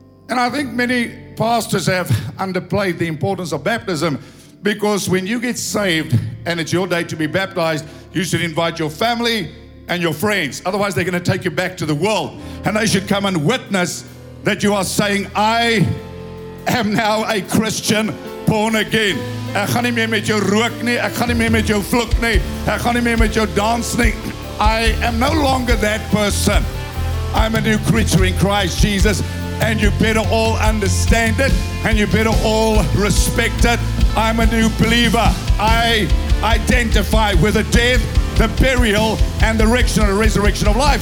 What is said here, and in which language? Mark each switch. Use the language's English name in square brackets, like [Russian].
[English] And I think many pastors have underplayed the importance of baptism, because when you get saved and it's your day to be baptized, you should invite your family and your friends. Otherwise, they're going to take you back to the world, and they should come and witness that you are saying, I am now a Christian born again. [Afrikaans] Ek gaan nie meer met jou rook nie. Ek gaan nie meer met jou vloek nie. Ek gaan nie meer met jou dans nie. [English] I am no longer that person. I'm a new creature in Christ Jesus. and you better all understand it, and you better all respect it. I'm a new believer. I identify with the death, the burial, and the resurrection of life.